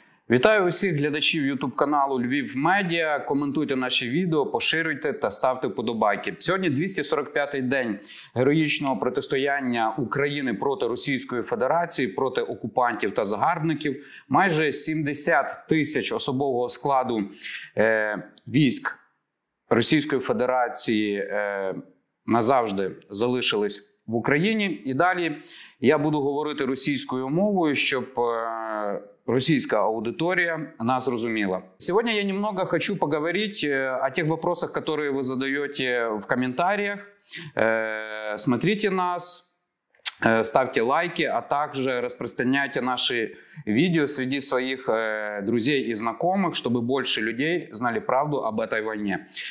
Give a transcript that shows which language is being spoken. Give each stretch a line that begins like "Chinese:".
Ukrainian: Вітаю усіх глядачів YouTube-каналу «Львів Медіа». Коментуйте наші відео, поширюйте та ставте вподобайки. Сьогодні 245-й день героїчного протистояння України проти Російської Федерації, проти окупантів та загарбників. Майже 70 тисяч особового складу військ Російської Федерації назавжди залишились в Україні. І далі я буду говорити російською мовою, щоб російська аудитория нас разумела.
Russian: Сегодня я немного хочу поговорить о тех вопросах, которые вы задаете в комментариях. Смотрите нас, ставьте лайки, а также распространяйте наши видео среди своих друзей и знакомых, чтобы больше людей знали правду об этой войне.